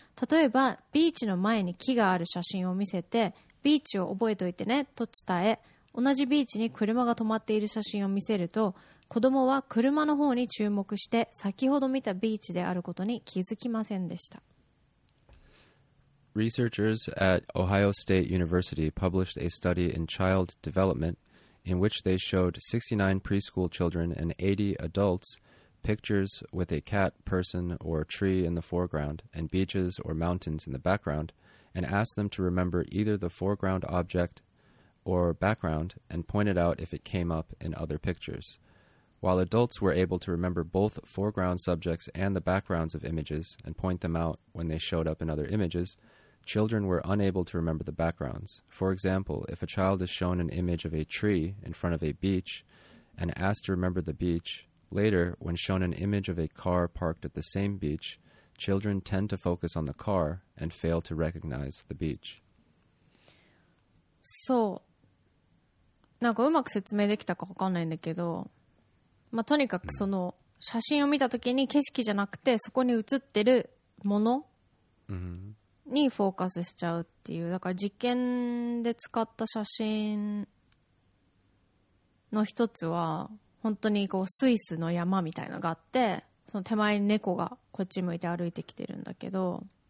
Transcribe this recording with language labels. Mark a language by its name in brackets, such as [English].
[Japanese] 例えばビーチの前に木がある写真を見せて、ビーチを覚えといてねと伝え、同じビーチに車が止まっている写真を見せると、子どもは車の方に注目して先ほど見たビーチであることに気づきませんでした。 [English] Researchers at Ohio State University published a study in child development in which they showed 69 preschool children and 80 adults pictures with a cat, person, or tree in the foreground and beaches or mountains in the background, and asked them to remember either the foreground object or background and point it out if it came up in other pictures. While adults were able to remember both foreground subjects and the backgrounds of images and point them out when they showed up in other images,Children were unable to remember the backgrounds. For example, if a child is shown an image of a tree in front of a beach and asked to remember the beach, later, when shown an image of a car parked at the same beach, children tend to focus on the car and fail to recognize the beach. [Japanese] そう。なんかうまく説明できたかわかんないんだけど、まあ、とにかくその写真を見たときに景色じゃなくてそこに写ってるもの。 Mm-hmm. にフォーカスしちゃうっていう、だから実験で使った写真の一つは本当にこうスイスの山みたいのがあって、その手前に猫がこっち向いて歩いてきてるんだけど、